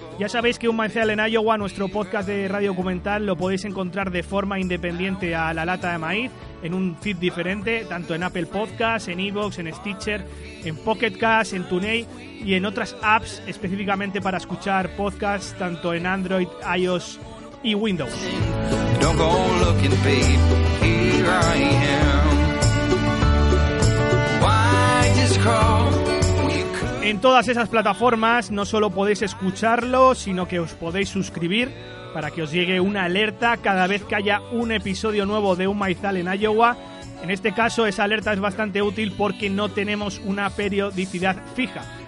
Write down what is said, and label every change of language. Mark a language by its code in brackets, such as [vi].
[es] Ya sabéis que Umaizal en Iowa, nuestro podcast de radio documental, lo podéis encontrar de forma independiente a La Lata de Maíz, en un feed diferente, tanto en Apple Podcasts, en iVoox, en Stitcher, en Pocket Cast, en TuneIn y en otras apps específicamente para escuchar podcasts, tanto en Android, iOS y Windows. [en] Don't go looking, babe, here I am. Why just crawl? [es] En todas esas plataformas no solo podéis escucharlo, sino que os podéis suscribir para que os llegue una alerta cada vez que haya un episodio nuevo de Umaizal en Iowa. En este caso esa alerta es bastante útil porque no tenemos una periodicidad fija.